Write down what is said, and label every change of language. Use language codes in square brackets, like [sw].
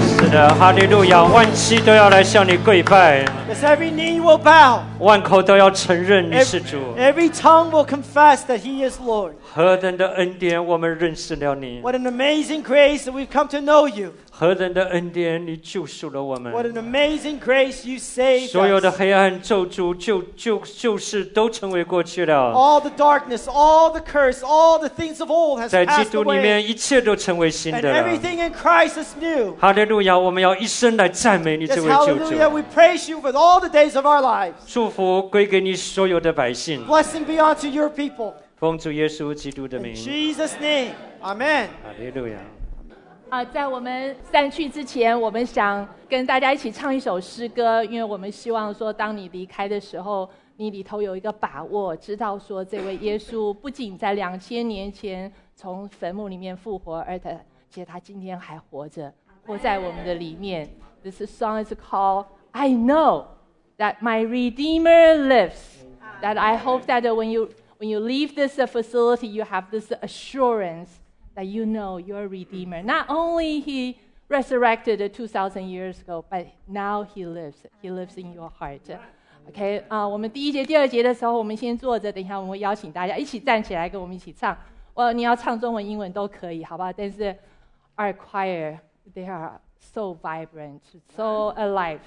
[zh] 的，哈利路亚，万膝都要来向你跪拜。 [en] Yes, every knee will bow. [zh] 万口都要承认你是主。 [en] Every tongue will confess that He is Lord. [zh] 何等的恩典，我们认识了你。 [en] What an amazing grace that we've come to know you. [zh] 何等的恩典，你救赎了我们。 [en] What an amazing grace you saved us. [zh] 所有的黑暗咒诅就是都成为过去了。 [en] All the darkness, all the curse, all the things of old has passed away. [zh] 在基督里面，一切都成为新的了。 [en] And everything in Christ is new. [zh] 哈利路亚，我们要一生来赞美你这位救主。 [en] Yes, hallelujah, we praise you with all the days of our lives. [zh] 祝福归给你所有的百姓。 [en] Blessing be unto your people. [zh] 奉主耶稣基督的名。 [en] In Jesus' name, Amen. [zh] 哈利路亚。在我们散去之前，我们想跟大家一起唱一首诗歌，因为我们希望说，当你离开的时候，你里头有一个把握，知道说这位耶稣不仅在2000年前从坟墓里面复活，而且他今天还活着，活在我们的里面。 [en] This song is called "I Know That My Redeemer Lives." That I hope that when you leave this facility, you have this assurance. That you know your Redeemer. Not only He resurrected 2,000 years ago, but now He lives. He lives in your heart. [zh] Okay, 我们第一节、第二节的时候，我们先坐着。等一下，我们会邀请大家一起站起来，跟我们一起唱。 Well, 你要唱中文、英文都可以，好不好？但是 [en] our choir, they are so vibrant, so alive.